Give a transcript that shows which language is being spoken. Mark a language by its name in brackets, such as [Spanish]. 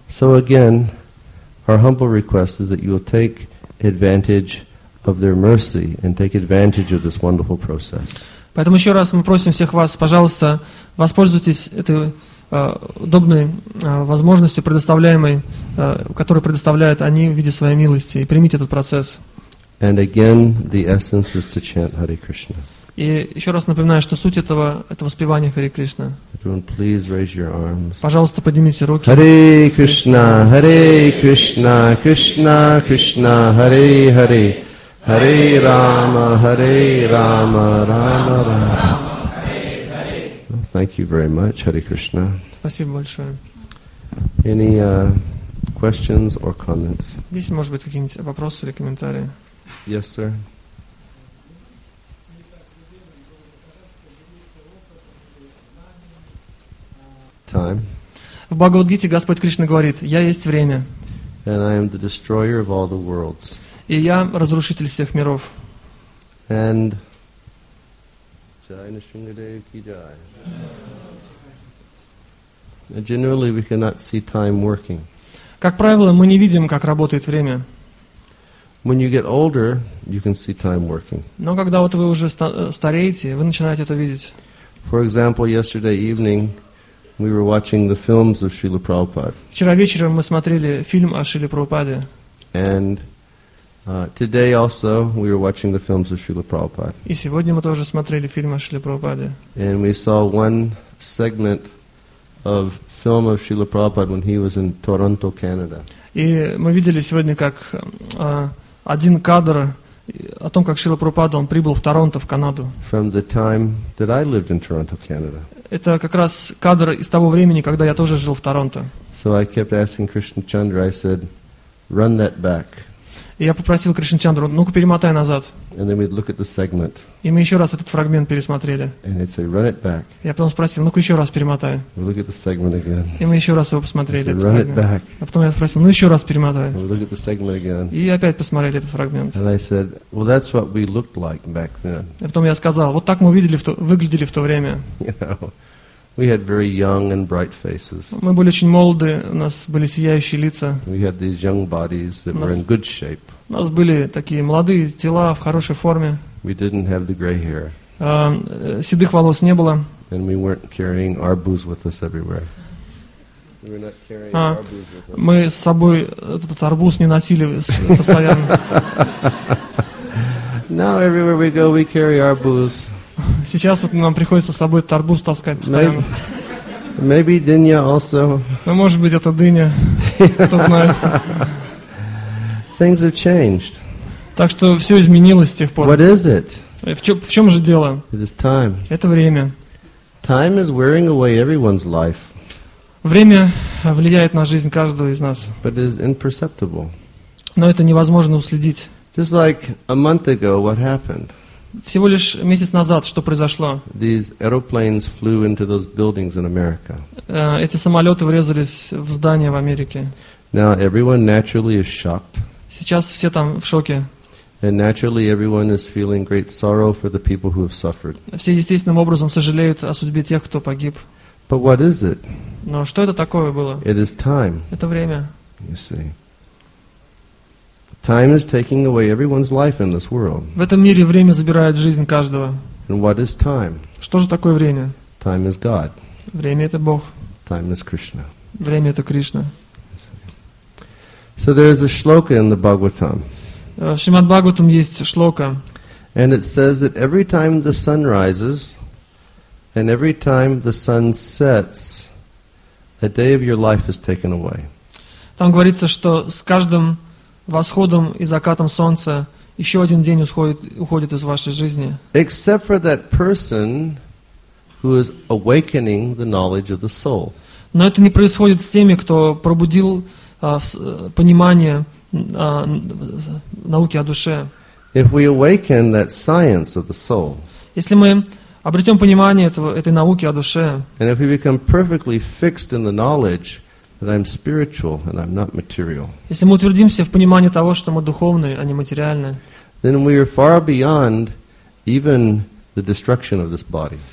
[English] So again, our humble request is that you will take advantage of their mercy and take advantage of this wonderful process. [Russian] Поэтому еще раз мы просим всех вас, пожалуйста, воспользуйтесь этой удобной возможностью, предоставляемой, которую предоставляют они в виде своей милости, и примите этот процесс. [English] And again, the essence is to chant Hare Krishna. [Russian] И еще раз напоминаю, что суть этого – это воспевание Харе Кришна. [English] Please raise your arms. [Russian] Пожалуйста, поднимите руки. [Sanskrit] Харе Кришна, Харе Кришна, Кришна Кришна, Харе Харе, Харе Рама, Харе Рама, Рама Рама. [English] Thank you very much, Hare Krishna. [Russian] Спасибо большое. [English] Any questions or comments? [Russian] Есть, может быть, какие-нибудь вопросы или комментарии? [English] Yes, sir. Time. [Russian] В Бхагавад-гите Господь Кришна говорит: «Я есть время». [English] And I am the destroyer of all the worlds. [Russian] И я разрушитель всех миров. [English] And generally, we cannot see time working. [Russian] Как правило, мы не видим, как работает время. [English] When you get older, you can see time working. [Russian] Но когда вот вы уже стареете, вы начинаете это видеть. [English] For example, yesterday evening, we were watching the films of Srila Prabhupada. [Russian] Вчера вечером мы смотрели фильм о Шриле Прабхупаде. [English] And today also we were watching the films of Srila Prabhupada. [Russian] И сегодня мы тоже смотрели фильм о Шриле Прабхупаде. [English] And we saw one segment of film of Srila Prabhupada when he was in Toronto, Canada. [Russian] И мы видели сегодня как один кадр о том, как Шрила Прабхупада он прибыл в Торонто, в Канаду. [English] From the time that I lived in Toronto, Canada. [Russian] Это как раз кадр из того времени, когда я тоже жил в Торонто. [English] So I kept asking Krishna Chandra, I said, run that back. [Russian] И я попросил Кришна Чандру, ну-ка перемотай назад. [English] And then we'd look at the segment. [Russian] И мы еще раз этот фрагмент пересмотрели. [English] And he'd say, run it back. [Russian] Я потом спросил, ну-ка еще раз перемотай. [English] We'd look at the segment again. [Russian] И мы еще раз его посмотрели. [English] Said, run it back. [Russian] А потом я спросил, ну еще раз перемотай. [English] We'd look at the segment again. [Russian] И опять посмотрели этот фрагмент. [English] And I said, well, that's what we looked like back then. [Russian] И потом я сказал, вот так мы выглядели в то время. [English] We had very young and bright faces. [Russian] Мы были очень молоды, у нас были сияющие лица. [English] We had these young bodies that were in good shape. [Russian] У нас были такие молодые тела в хорошей форме. [English] We didn't have the gray hair. [Russian] Седых волос не было. [English] And we weren't carrying arbus with us everywhere. We were not carrying arbus with us. [Russian] Мы с собой этот арбуз не носили постоянно. [English] Now everywhere we go, we carry arbus. [Russian] Сейчас вот нам приходится с собой этот арбуз таскать постоянно. [English] Maybe dynia also. [Russian] Ну, может быть, это дыня. Кто знает. [English] Things have changed. [Russian] Так что все изменилось с тех пор. [English] What is it? [Russian] В чем же дело? [English] It is time. [Russian] Это время. [English] Time is wearing away everyone's life. [Russian] Время влияет на жизнь каждого из нас. [English] But it is imperceptible. [Russian] Но это невозможно уследить. [English] Just like a month ago, what happened? [Russian] Всего лишь месяц назад, что произошло? [English] These aeroplanes flew into those buildings in America. [Russian] Эти самолеты врезались в здания в Америке. [English] Now everyone naturally is shocked. [Russian] Сейчас все там в шоке. [English] And naturally everyone is feeling great sorrow for the people who have suffered. [Russian] Все естественным образом сожалеют о судьбе тех, кто погиб. [English] But what is it? [Russian] Но что это такое было? [English] It is time. [Russian] Это время. [English] You see. Time is taking away everyone's life in this world. [Russian] В этом мире время забирает жизнь каждого. [English] And what is time? [Russian] Что же такое время? [English] Time is God. [Russian] Время это Бог. [English] Time is Krishna. [Russian] Время это Кришна. [English] So there is a shloka in the Bhagavatam. [Russian] В Шримад-Бхагаватам есть шлока. [English] And it says that every time the sun rises and every time the sun sets, a day of your life is taken away. [Russian] Там говорится, что с каждым восходом и закатом солнца еще один день уходит из вашей жизни. [English] Except for that person who is awakening the knowledge of the soul. [Russian] Но это не происходит с теми, кто пробудил понимание науки о душе. [English] If we awaken that science of the soul, [Russian] если мы обретем понимание этой науки о душе, [English] and if we become perfectly fixed in the knowledge that I'm spiritual and I'm not material, [Russian] если мы утвердимся в понимании того, что мы духовные, а не материальные, [English] then we are far beyond even the destruction of this body.